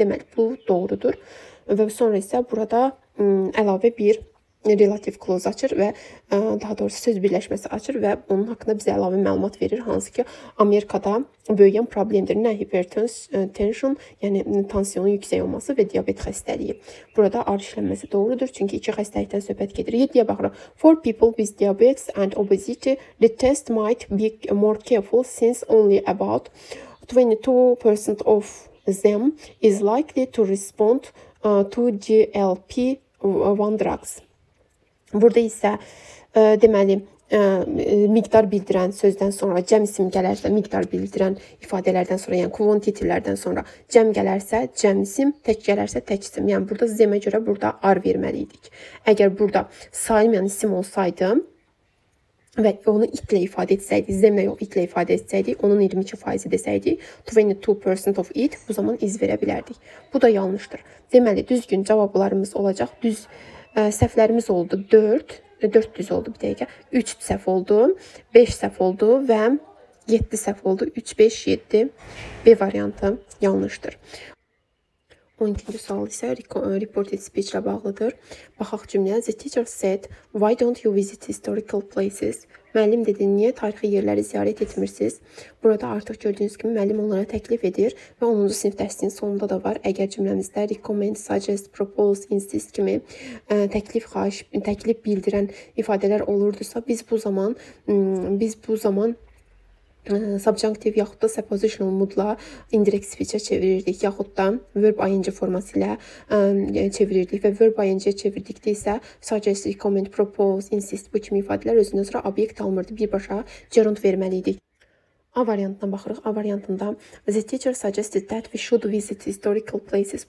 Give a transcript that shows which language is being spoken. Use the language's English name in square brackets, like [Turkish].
[Azerbaijani] Deməli, bu doğrudur. Və sonra isə burada əlavə bir relative clause açır və daha doğrusu söz birləşməsi açır və onun haqqında bizə əlavə məlumat verir, hansı ki, Amerikada böyüyən problemdir. Nə hypertension, yəni tansiyonun yüksək olması və diabet xəstəliyi. Burada R işlənməsi doğrudur, çünki iki xəstəlikdən söhbət gedir. 7-yə baxırıq. [English] For people with diabetes and obesity, the test might be more careful since only about 22% of them is likely to respond to GLP-1 drugs. [Azerbaijani] Burada isə deməli miqdar bildirən sözdən sonra cəm isim gələrsə, miqdar bildirən ifadələrdən sonra, yəni quantity-lərdən sonra cəm gələrsə, cəm isim, tək gələrsə, tək isim. Yəni burada zəmə görə burada R verməli idik. Əgər burada sayılmayan isim olsaydı və onu itlə ifadə etsəydi, zəmə yox, itlə ifadə etsəydi, onun 22% desəydi, 22% of it bu zaman iz verə bilərdik. Bu da yanlışdır. Deməli, düzgün cavablarımız olacaq. Düz səhvlərimiz oldu 4, 400 oldu bir dəqiqə, 3 səhv oldu, 5 səhv oldu və 7 səhv oldu, 3, 5, 7, B variantı yanlışdır. 12-ci sual isə reported speech ilə bağlıdır. Baxaq cümləyə, [English] the teacher said, why don't you visit historical places? [Azerbaijani] Müəllim dedi, niyə tarixi yerləri ziyarət etmirsiniz? Burada artıq gördüyünüz kimi müəllim onlara təklif edir və 10-cu sinif dərsinin sonunda da var. Əgər cümləmizdə recommend, suggest, propose, insist kimi təklif bildirən ifadələr olurdusa, biz bu zaman subjunctive yaxud da suppositional moodla indirect speech-ə çevirirdik, yaxud da verb ing forması ilə çevirirdik və verb ing-ə çevirdikdə isə suggest, recommend, propose, insist bu kimi ifadələr özündən sonra obyekt almırdı, birbaşa gerund verməli idik. A variantına baxırıq. A variantında [English] the teacher suggested that we should visit historical places.